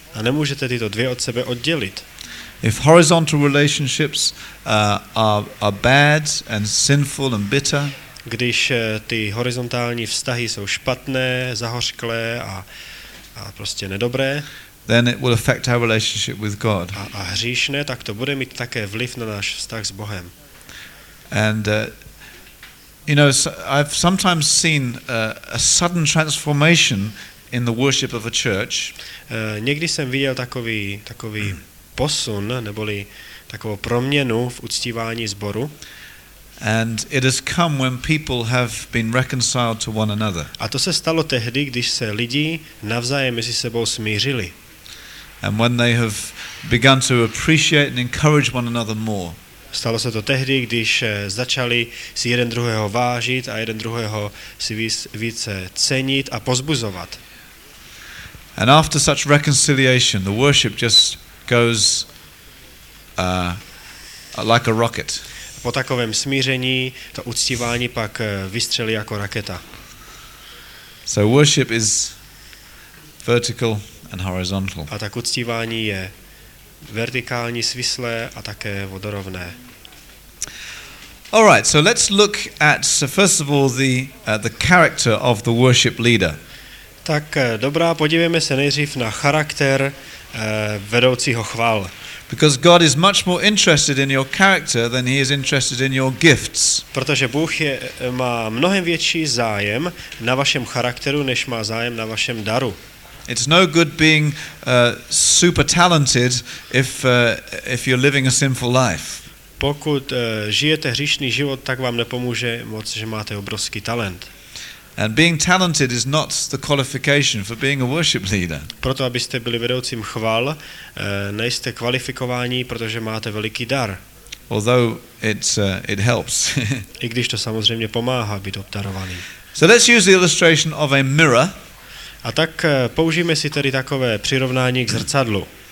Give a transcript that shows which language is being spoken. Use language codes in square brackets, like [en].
[cs] A nemůžete tyto dvě od sebe oddělit. [en] If horizontal relationships are bad and sinful and bitter, [cs] když ty horizontální vztahy jsou špatné, zahořklé a prostě nedobré, [en] then it will affect our relationship with God. [cs] A hříšné, tak to bude mít také vliv na náš vztah s Bohem. [en] You know, I've sometimes seen a sudden transformation in the worship of a church. [cs] Někdy jsem viděl takový posun neboli takovou proměnu v uctívání sboru. [en] And it has come when people have been reconciled to one another. [cs] A to se stalo tehdy, když se lidi navzájem mezi sebou smířili. [en] And when they have begun to appreciate and encourage one another more. [cs] Stalo se to tehdy, když začali si jeden druhého vážit a jeden druhého si více cenit a pozbuzovat. [en] And after such reconciliation, the worship just goes like a rocket. [cs] Po takovém smíření to uctívání pak vystřelí jako raketa. [en] So worship is vertical and horizontal. [cs] A tak uctívání je vertikální, svislé a také vodorovné. [en] All right, so let's look at first of all the character of the worship leader. [cs] Tak dobrá, podívejme se nejdřív na charakter vedoucího chval. [en] Because God is much more interested in your character than he is interested in your gifts. [cs] Protože Bůh je, má mnohem větší zájem na vašem charakteru, než má zájem na vašem daru. [en] It's no good being super talented if you're living a sinful life. [cs] Pokud žijete hříšný život, tak vám nepomůže moc, že máte obrovský talent. [en] And being talented is not the qualification for being a worship leader. [cs] Proto abyste byli vedoucím chval, nejste kvalifikováni, protože máte veliký dar. [en] Although it helps. [cs] I když to samozřejmě pomáhá být obdarovaný. [en] So let's use the illustration of a mirror. [cs] A tak použijeme si tedy takové přirovnání k zrcadlu.